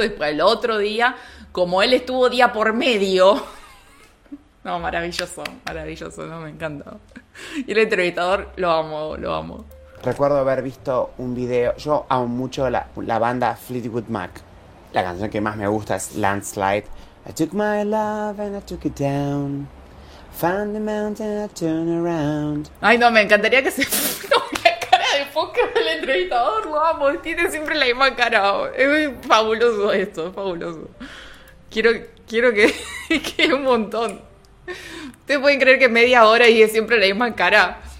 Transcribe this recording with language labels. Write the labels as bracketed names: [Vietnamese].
[Spanish] Después el otro día, como él estuvo día por medio... No, maravilloso, no, me encanta. Y el entrevistador, lo amo. Recuerdo haber visto un video, yo amo mucho la banda Fleetwood Mac. La canción que más me gusta es Landslide. [English] I took my love and I took it down. Found the mountain and I turned around. [Spanish] Ay, no, me encantaría que se... No, la cara de foco del entrevistador, lo amo. Tiene siempre la misma cara. Es fabuloso esto, es fabuloso. Quiero que un montón... ¿Ustedes pueden creer que media hora y es siempre la misma cara?